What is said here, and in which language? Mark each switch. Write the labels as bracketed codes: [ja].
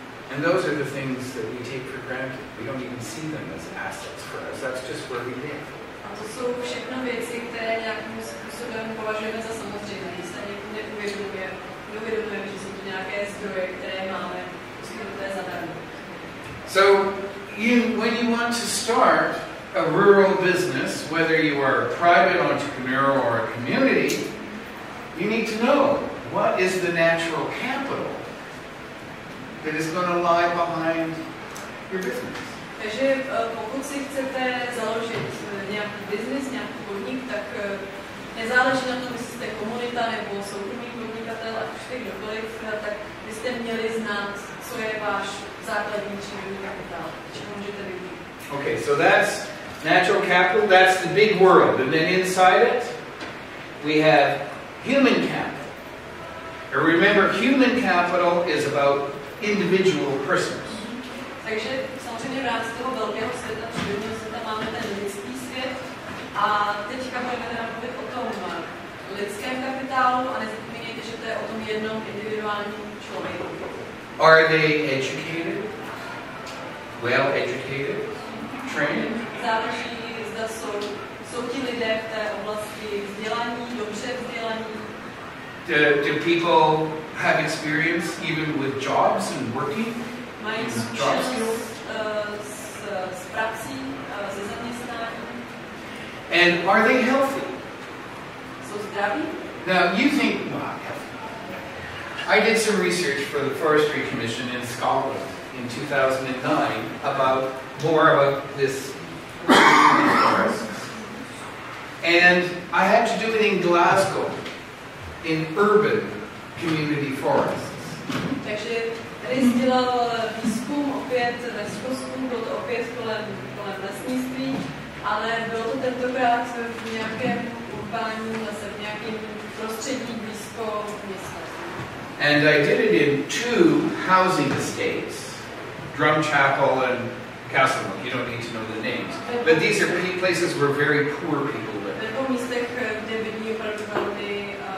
[en] And those are the things that we take for granted. We don't even see them as assets for us. That's just where we live. [cs] A to jsou všechno věci, které nějakým způsobem považujeme za samozřejmé. Když se někdo neuvědomuje, že jsou to nějaké zdroje, které máme, musíme to zadarmo. [en] So, when you want to start a rural business, whether you are a private entrepreneur or a community, you need to know what is the natural capital that is going to lie behind your business. [cs] Takže pokud si chcete založit nějaký business, nějaký podnik, tak nezáleží na tom, jestli jste komunita nebo soukromý podnikatel, ať už jste kdokoliv, tak byste měli znát, co je váš základní činný kapitál, čeho můžete využít. [en] Okay, so that's natural capital, that's the big world. And then inside it, we have human capital. And remember, human capital is about individual persons. [cs] Takže samozřejmě v rámci toho velkého světa, přírodního světa, máme ten lidský svět, A teďka budeme teda mluvit o tom lidském kapitálu a nezapomínejte, že to je o tom jednom individuálním člověku. [en] Are they educated? Well educated? Trained? [cs] Záleží, zda jsou ti lidé v té oblasti vzdělaní, dobře vzdělaní. [en] Do people have experience even with jobs and working? [cs] Mají zkušenost s prací, se zaměstnáním. [en] And are they healthy? [cs] Jsou zdraví? [en] Now you think, well, I did some research for the Forestry Commission in Scotland in 2009 about more about this forests. And I had to do it in Glasgow. In urban community forests. [cs] Takže tady jsi dělal výzkum opět ve Skotsku, bylo to opět kolem lesnictví, ale bylo to tentokrát v nějakém urbánu, zase v nějakém prostředí blízko města. [en] And I did it in two housing estates, Drumchapel and Castlemilk. You don't need to know the names. But these are places where very poor people live. [cs] Tento místech, kde byli opravdu velmi